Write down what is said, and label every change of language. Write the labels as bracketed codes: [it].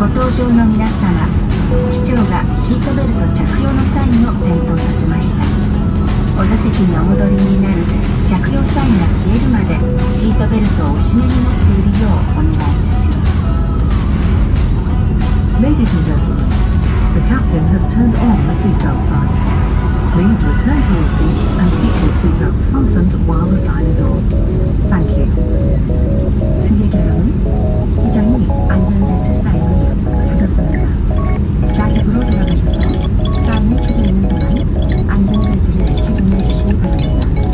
[ja] 上の皆様、機長がシートベルト着用のサインを点灯させました。お座席にお戻りになる着用サインが消えるまでシートベルトをお締めになっているようお願いいたします。 [en] Ladies and gentlemen, the captain has turned on the seatbelt sign. Please return to your seat and keep your seatbelts fastened while the sign is off. Thank you. [ko] 승객 여러분, 기장이 안전벨트 사인을 켜줬습니다. 좌석으로 돌아가셔서 사인이 켜져 있는 동안 안전벨트를 착용해 주시기 바랍니다.